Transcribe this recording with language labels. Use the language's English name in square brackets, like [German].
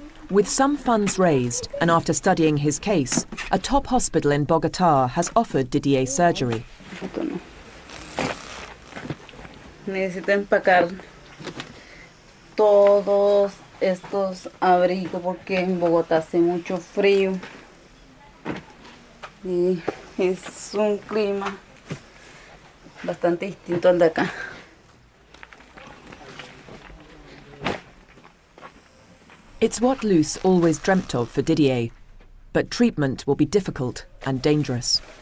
[English] With some funds raised and after studying his case, a top hospital in Bogotá has offered Didier surgery. [Spanish] Necesito empacar todos estos abrigos porque en Bogotá hace mucho frío. Y es un clima bastante distinto al de acá. [English] It's what Luce always dreamt of for Didier, but treatment will be difficult and dangerous.